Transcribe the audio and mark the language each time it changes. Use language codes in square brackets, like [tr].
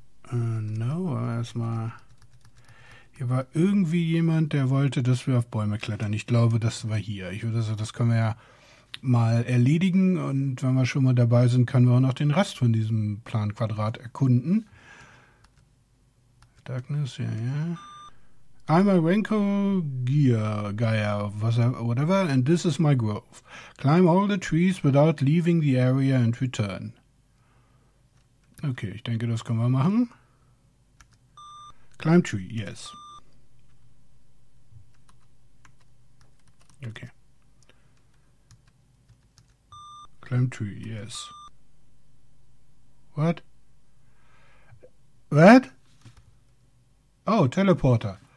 [de] No, aber erstmal. Hier war irgendwie jemand, der wollte, dass wir auf Bäume klettern. Ich glaube, das war hier. Ich würde sagen, das können wir ja mal erledigen. Und wenn wir schon mal dabei sind, können wir auch noch den Rest von diesem Planquadrat erkunden. Darkness, ja, ja. [en] I'm a Renko Geier, whatever, and this is my grove. Climb all the trees without leaving the area and return. [de] Okay, ich denke, das können wir machen. [en] Climb tree, yes. Okay. Climb tree, yes. What? What? Oh, teleporter.